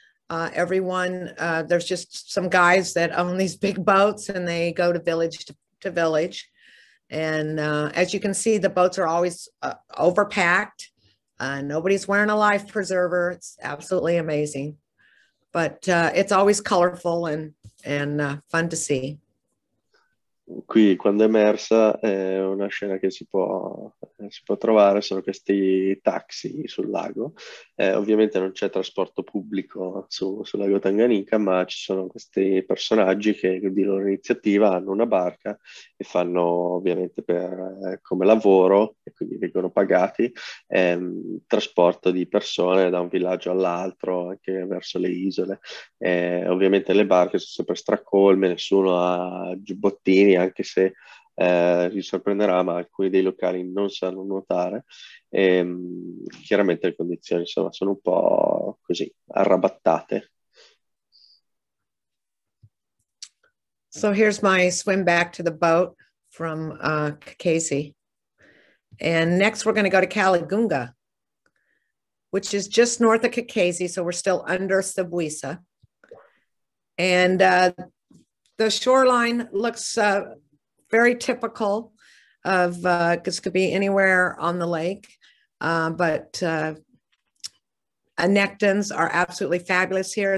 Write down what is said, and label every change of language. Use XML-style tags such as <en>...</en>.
<en>There's just some guys that own these big boats, and they go to village to village. And as you can see, the boats are always overpacked. Nobody's wearing a life preserver. It's absolutely amazing. But it's always colorful and fun to see.</en> <it>Qui quando è emersa è una scena che si può si può trovare solo questi taxi sul lago. Ovviamente non c'è trasporto pubblico sul lago Tanganyika, ma ci sono questi personaggi che di loro iniziativa hanno una barca e fanno ovviamente per come lavoro, e quindi vengono pagati, trasporto di persone da un villaggio all'altro, anche verso le isole. Ovviamente le barche sono sempre stracolme, nessuno ha giubbottini, anche se vi sorprenderà, ma alcuni dei locali non sanno nuotare, e chiaramente le condizioni, insomma, sono un po' così arrabattate.</it> <en>So here's my swim back to the boat from Kakasi. And next we're going to go to Kalagunga, which is just north of Kakasi, so we're still under Sabuisa. And the shoreline looks very typical of, this could be anywhere on the lake, but annectins are absolutely fabulous here.</en>